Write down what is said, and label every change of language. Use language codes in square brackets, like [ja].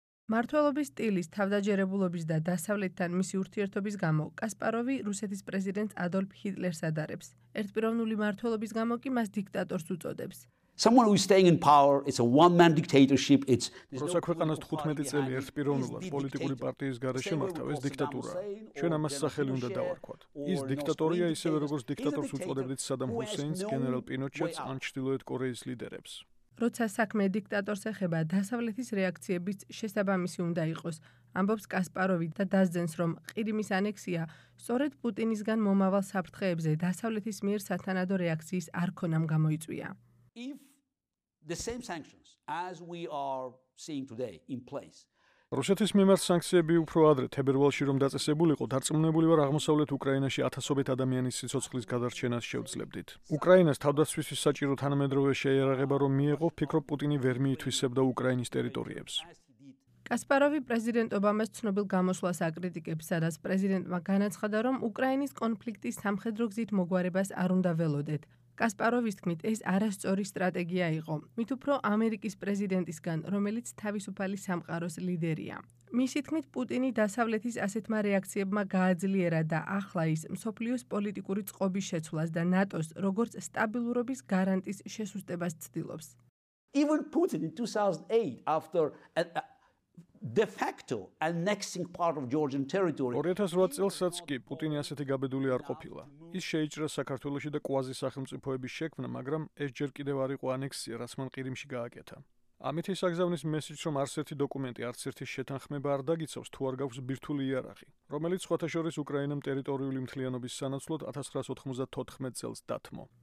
[ka] მართველობის სტილის, თავდაჯერებულობის და დასავლეთთან მისი ურთიერთობის გამო კასპაროვი რუსეთის პრეზიდენტ ადოლფ ჰიტლერს ადარებს. ერთპიროვნული მართველობის გამო კი მას დიქტატორს უწოდებს. [en] Someone who is staying in power, it's a one-man dictatorship, it's... [ka] როცა ქვეყანას 15 წელი ერთპიროვნულად პოლიტიკური პარტიის გარეშე მართავს, დიქტატურა. ჩვენ ამას სახელი უნდა დავარქვათ. ის დიქტატორია ისევე, როგორც დიქტატორს უწოდებდით სადამ ჰუსეინს, გენერალ პინოჩეტს ან ჩრდილოეთ კორეის ლიდერებს. როცა საქმე დიქტატორს ეხება, დასავლეთის რეაქციებიც შესაბამისი უნდა იყოს, ამბობს კასპაროვი და დაძენს, რომ ყირიმის ანექსია სწორედ პუტინისგან მომავალ საფრთხეებზე დასავლეთის მიერ სათანადო რეაქციის არ ქონამ გამოიწვია. [en] If the same sanctions as we are seeing today in place. [ka] რუსეთის მიმართ სანქციები უფრო ადრე თებერვალში რომ დაწესებულიყო, დარწმუნებული ვარ, აღმოსავლეთ უკრაინაში ათასობით ადამიანის სიცოცხლის გადარჩენას შევძლებდით. უკრაინას თავდაცვისთვის საჭირო თანამედროვე შეიარაღება რომ მიეღო, ფიქრობ პუტინი ვერ მიითვისებდა უკრაინის ტერიტორიებს. კასპაროვი პრეზიდენტ ობამას ცნობილ გამოსვლას აკრიტიკებს, სადაც პრეზიდენტმა განაცხადა, რომ უკრაინის კონფლიქტის სამხედრო გზით მოგვარებას არ უნდა ველოდეთ. კასპაროვის თქმით, ეს არასწორი სტრატეგია იყო. მით უფრო ამერიკის პრეზიდენტისგან, რომელიც თავისუფალი სამყაროს ლიდერია. მისი თქმით, პუტინი დასავლეთის ასეთმა რეაქციებმა გააძლიერა და ახლა ის მსოფლიოს პოლიტიკური წყობის შეცვლას და ნატოს როგორც სტაბილურობის გარანტის შესუსტებას ცდილობს. [en] Even Putin in 2008 after de facto annexing part of Georgian territory. [ka] 2008 წელსაც კი პუტინი ასეთი გაბედული არ ყოფილა. ის შეიჭრა საქართველოში და კვაზი სახელმწიფოების შექმნა, მაგრამ ეს ჯერ კიდევ არ იყო ანექსია, რაც მან ყირიმში გააკეთა. ამით ის აგზავნის მესიჯს, რომ არც ერთი დოკუმენტი, არც ერთი შეთანხმება არ დაგიცავს, თუ არ გაქვს ბირთული იარაღი, რომელიც ხოთაშორის უკრაინამ ტერიტორიული მთლიანობის სანაცვლოდ 1994 წელს დათმო.